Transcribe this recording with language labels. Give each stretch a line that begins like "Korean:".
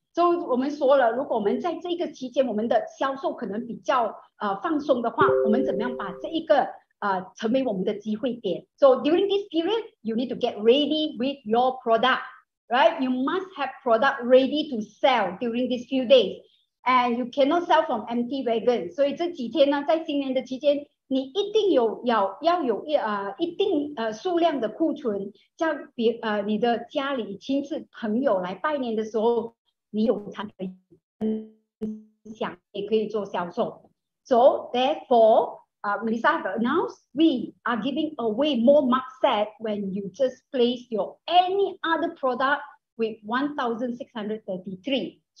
Chinese: So 我们说了, 如果我们在这个期间, 我们的销售可能比较, 放松的话, 我们怎么样把这一个, 成为我们的机会点.
English: So during this period, you need to get ready with your product. Right, you must have product ready to sell during these few days, and you cannot sell from empty wagon.
Chinese: So it's 这几天呢，在新年的期间，你一定有要有一定数量的库存，叫别你的家里亲戚朋友来拜年的时候，你有产品分享，也可以做销售.
English: So therefore, Melissa announced we are giving away more mark set when you just place your any other product with 1,633.